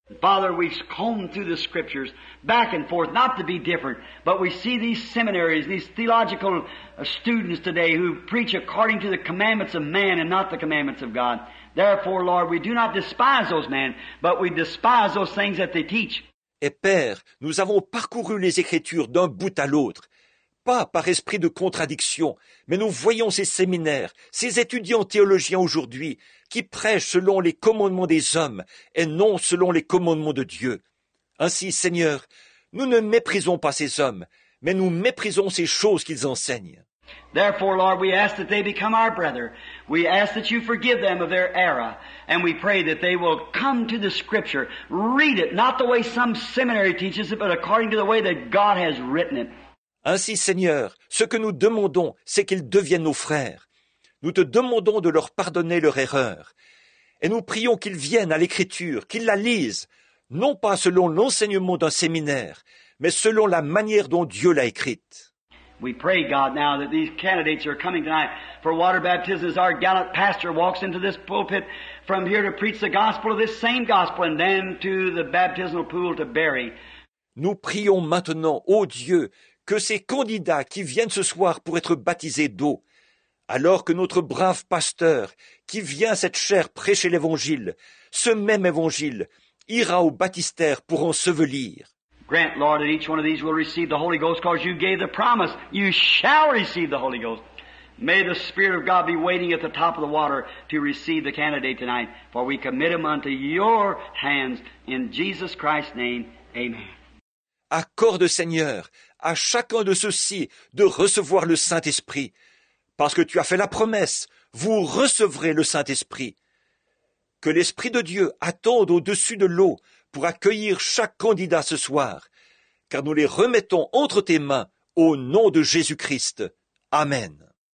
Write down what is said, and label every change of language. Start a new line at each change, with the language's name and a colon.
English: Father, we've combed through the scriptures back and forth, not to be different, but we see these seminaries, these theological students today who preach according to the commandments of man and not the commandments of God. Therefore, Lord, we do not despise those men, but we despise those things that they teach.
French: Et Père, nous avons parcouru les Écritures d'un bout à l'autre, pas par esprit de contradiction, mais nous voyons ces séminaires, ces étudiants théologiens aujourd'hui, qui prêche selon les commandements des hommes et non selon les commandements de Dieu. Ainsi, Seigneur, nous ne méprisons pas ces hommes, mais nous méprisons ces choses qu'ils enseignent.
English: Therefore, Lord, we ask that they become our brother. We ask that you forgive them of their error. And we pray that they will come to the Scripture, read it, not the way some seminary teaches it, but according to the way that God has written it.
French: Ainsi, Seigneur, ce que nous demandons, c'est qu'ils deviennent nos frères. Nous te demandons de leur pardonner leur erreur. Et nous prions qu'ils viennent à l'Écriture, qu'ils la lisent, non pas selon l'enseignement d'un séminaire, mais selon la manière dont Dieu l'a écrite.
English: We pray, God, now that these candidates are coming tonight for water baptism as our gallant pastor walks into this pulpit from here to preach the gospel of this same gospel and then to the baptismal pool to bury.
French: Nous prions maintenant, ô Dieu, que ces candidats qui viennent ce soir pour être baptisés d'eau, alors que notre brave pasteur, qui vient à cette chair prêcher l'Évangile, ce même Évangile, ira au baptistère pour ensevelir.
English: Grant, Lord, that each one of these will receive the Holy Ghost, because you gave the promise, you shall receive the Holy Ghost. May the Spirit of God be waiting at the top of the water to receive the candidate tonight, for we commit him unto your hands, in Jesus Christ's name, amen.
French: Accorde, Seigneur, à chacun de ceux-ci de recevoir le Saint-Esprit, parce que tu as fait la promesse, vous recevrez le Saint-Esprit. Que l'Esprit de Dieu attende au-dessus de l'eau pour accueillir chaque candidat ce soir, car nous les remettons entre tes mains au nom de Jésus-Christ. Amen.